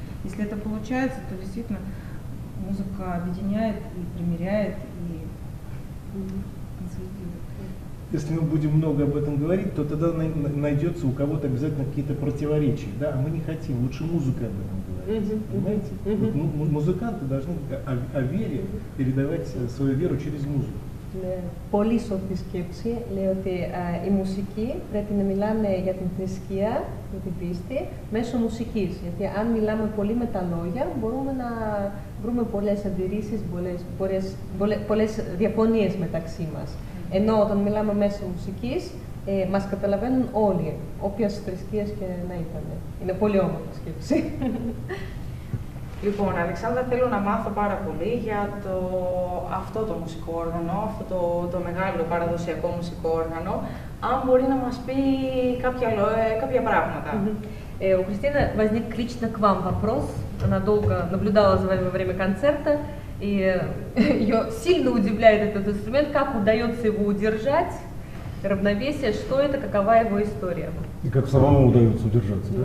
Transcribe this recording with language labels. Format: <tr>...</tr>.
<ru>Если это получается, то действительно музыка объединяет и примиряет, и консолидирует. Если мы будем много об этом говорить, то тогда найдется у кого-то обязательно какие-то противоречия. Да? А мы не хотим, лучше музыка об этом говорить. Понимаете? Вот музыканты должны о вере передавать свою веру через музыку.</ru> <el>Ναι, πολύ σωστή σκέψη. Λέει ότι οι μουσικοί πρέπει να μιλάνε για την θρησκεία και την πίστη μέσω μουσικής. Γιατί αν μιλάμε πολύ με τα λόγια, μπορούμε να βρούμε πολλές αντιρρήσεις, πολλές διαφωνίες μεταξύ μας. Ενώ όταν μιλάμε μέσω μουσικής, μας καταλαβαίνουν όλοι, όποιας θρησκείας και να ήταν. Είναι πολύ όμορφη σκέψη. Λοιπόν, Αλεξάνδρα, θέλω να μάθω πάρα πολύ για αυτό το μουσικό όργανο, αυτό το μεγάλο παραδοσιακό μουσικό όργανο, αν μπορεί να μας πει κάποια πράγματα.</el> <ru>У Кристины возник лично к вам вопрос. Она долго наблюдала за вами во время концерта, и ее сильно удивляет этот инструмент, как удается его удержать, равновесие, что это, какова его история. И как самому удается удержаться, да?</ru>